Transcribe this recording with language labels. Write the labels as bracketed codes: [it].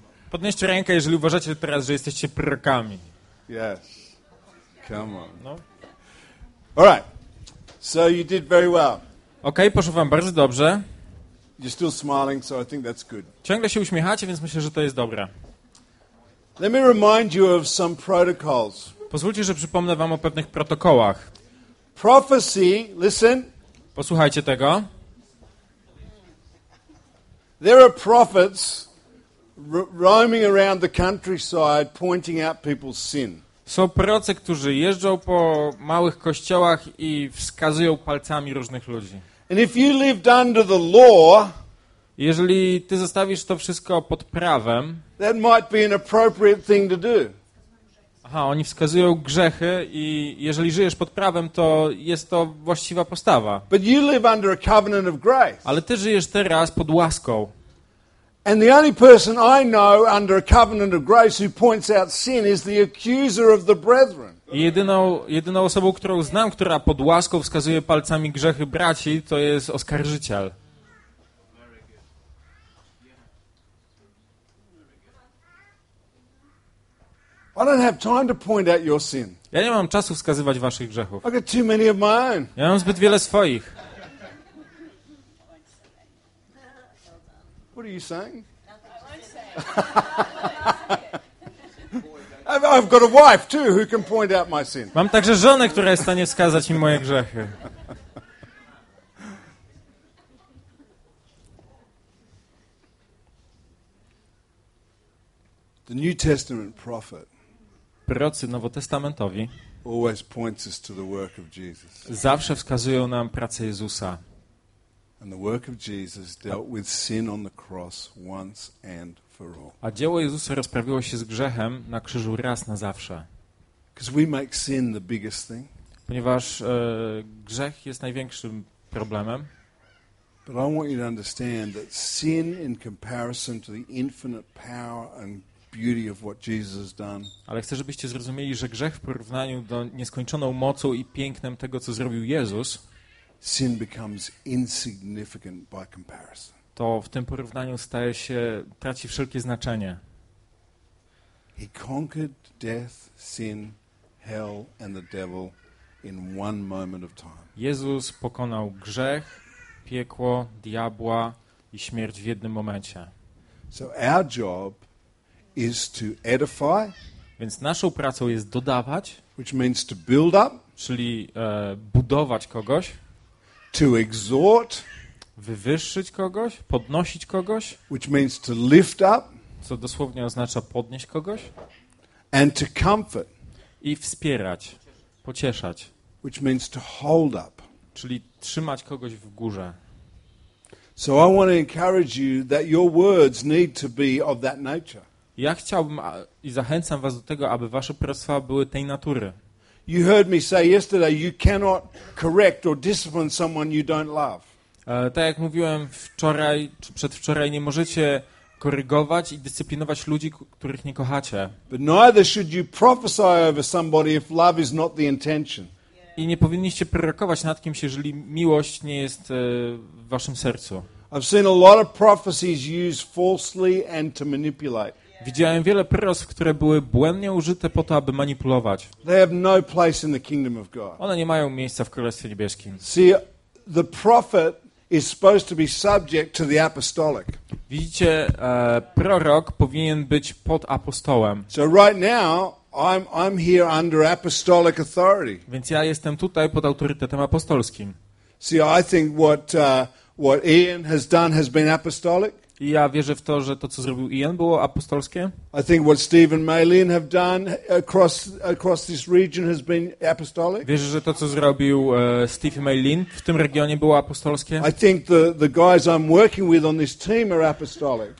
[pl] Podnieście rękę, jeżeli uważacie teraz, że jesteście prorokami. [en] Yes. Come on. No. All right. So you did very well. [pl] Okay, poszło wam bardzo dobrze. [en] You're still smiling, so I think that's good. [pl] Ciągle się uśmiechacie, więc myślę, że to jest dobre. [en] Let me remind you of some protocols. [pl] Pozwólcie, że przypomnę wam o pewnych protokołach. [en] Prophecy, listen. [pl] Posłuchajcie tego. [en] There are prophets roaming around the countryside pointing out people's sin. [pl] Są prorocy, którzy jeżdżą po małych kościołach i wskazują palcami różnych ludzi. [en] And if you lived under the law, [pl] jeżeli ty zostawisz to wszystko pod prawem, [en] that might be an appropriate thing to do. [pl] Aha, oni wskazują grzechy i jeżeli żyjesz pod prawem, to jest to właściwa postawa. [en] But you live under a covenant of grace. [pl] Ale ty żyjesz teraz pod łaską. [en] And the only person I know under a covenant of grace who points out sin is the accuser of the brethren. [pl] Jedyną osobą, którą znam, która pod łaską wskazuje palcami grzechy braci, to jest oskarżyciel. [en] I don't have time to point out your sin. [pl] Ja nie mam czasu wskazywać waszych grzechów. [en] I got too many of mine. [pl] Ja mam zbyt wiele swoich. [en] What are you saying? I've got a wife too who can point out my sin. [pl] Mam także żonę, która jest w stanie wskazać mi moje grzechy. [en] The New Testament prophet. [pl] Prorocy nowotestamentowi. [en] Always points us to the work of Jesus. [pl] Zawsze wskazują nam pracę Jezusa. [en] And the work of Jesus dealt with sin on the cross once and for all. [pl] A dzieło Jezusa rozprawiło się z grzechem na krzyżu raz na zawsze. [en] Because we make sin the biggest thing. [pl] Ponieważ grzech jest największym problemem. [en] But I want you to understand that sin in comparison to the infinite power and beauty of what Jesus has done. [pl] Ale chcę, żebyście zrozumieli, że grzech w porównaniu do nieskończoną mocą i pięknem tego, co zrobił Jezus. [en] Sin becomes insignificant by comparison. [pl] To w tym porównaniu staje się, traci wszelkie znaczenie. [en] He conquered death, sin, hell and the devil in one moment of time. [pl] Jezus pokonał grzech, piekło, diabła i śmierć w jednym momencie. [en] So our job is to edify. [pl] Więc naszą pracą jest dodawać, [en] which means to build up, [pl] czyli budować kogoś, [en] to exhort, [pl] wywyższyć kogoś, podnosić kogoś, [en] which means to lift up, [pl] co dosłownie oznacza podnieść kogoś, [en] and to comfort, [pl] i wspierać, pocieszać, [en] which means to hold up, [pl] czyli trzymać kogoś w górze. [en] So I want to encourage you that your words need to be of that nature. [pl] Ja chciałbym i zachęcam was do tego, aby wasze proroctwa były tej natury. [en] You heard me say yesterday you cannot correct or discipline someone you don't love. [pl] Tak jak mówiłem wczoraj czy przedwczoraj, nie możecie korygować i dyscyplinować ludzi, których nie kochacie. [en] But neither should you prophesy over somebody if love is not the intention. [pl] I nie powinniście prorokować nad kimś, jeżeli miłość nie jest w waszym sercu. [en] I've seen a lot of prophecies used falsely and to manipulate. [pl] Widziałem wiele proroctw, które były błędnie użyte po to, aby manipulować. [en] They have no place in the kingdom of God. [pl] One nie mają miejsca w Królestwie Niebieskim. [en] See, the prophet is supposed to be subject to the apostolic. [pl] Widzicie, prorok powinien być pod apostołem. [en] So right now I'm here under apostolic authority. [pl] Więc ja jestem tutaj pod autorytetem apostolskim. [en] See, I think what Ian has done has been apostolic. [pl] I ja wierzę w to, że to, co zrobił Ian, było apostolskie. [en] I think what Steve and Maylene have done across this region has been apostolic. [pl] Wierzę, że to, co zrobił Steve i Maylene w tym regionie, było apostolskie. [en] I think the guys I'm working with on this team are apostolic.